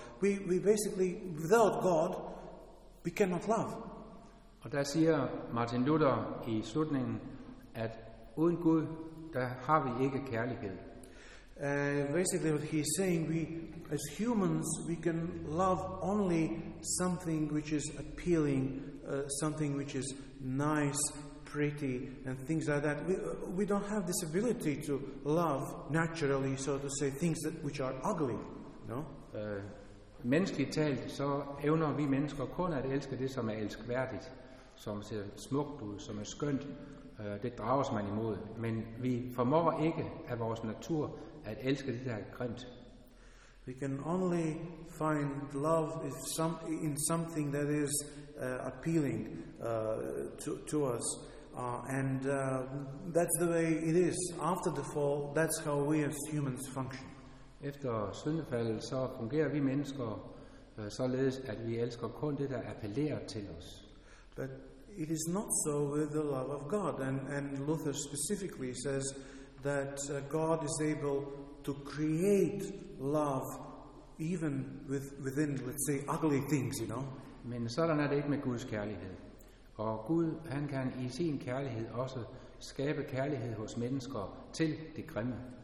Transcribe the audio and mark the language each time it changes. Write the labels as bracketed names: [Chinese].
[English] We basically, without God, we cannot love. [Danish] Og der siger Martin Luther i slutningen, at uden Gud, der har vi ikke kærlighed. [English] Basically what he's saying, we as humans, we can love only something which is appealing, something which is nice, pretty, and things like that. We don't have this ability to love naturally, so to say, things that which are ugly, no? [Danish] Menneskeligt talt, så evner vi mennesker kun at elske det, som er elskværdigt, som ser smukt ud, som er skønt. Det drages man imod, men vi formår ikke af vores natur at elske det, der er grimt. [English] We can only find love in something that is appealing to us. And that's the way it is. After the fall, that's how we as humans function. [Danish] Efter syndefaldet, så fungerer vi mennesker således, at vi elsker kun det, der appellerer til os. [English] But it is not so with the love of God. And Luther specifically says that God is able to create love even within, let's say, ugly things, you know. [Danish] Men sådan er det ikke med Guds kærlighed. Og Gud, han kan i sin kærlighed også skabe kærlighed hos mennesker til det grimme.